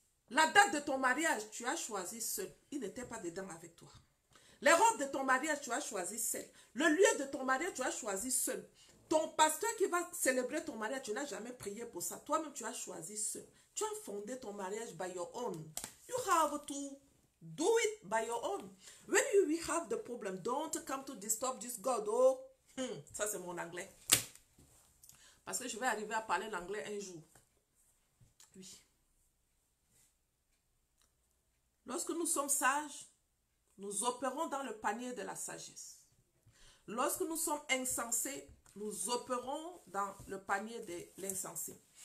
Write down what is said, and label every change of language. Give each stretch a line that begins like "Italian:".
French: La date de ton mariage, tu as choisi seul. Il n'était pas dedans avec toi. Les robes de ton mariage, tu as choisi seul. Le lieu de ton mariage, tu as choisi seul. Ton pasteur qui va célébrer ton mariage, tu n'as jamais prié pour ça. Toi-même, tu as choisi seul. Tu as fondé ton mariage
English: by your own. You have to do it by your own. When you have the problem, don't come to disturb this God.
French: Oh, ça c'est mon anglais. Parce que je vais arriver à parler l'anglais un jour. Oui. Lorsque nous sommes sages, nous opérons dans le panier de la sagesse. Lorsque nous sommes insensés, nous opérons dans le panier de l'insensé.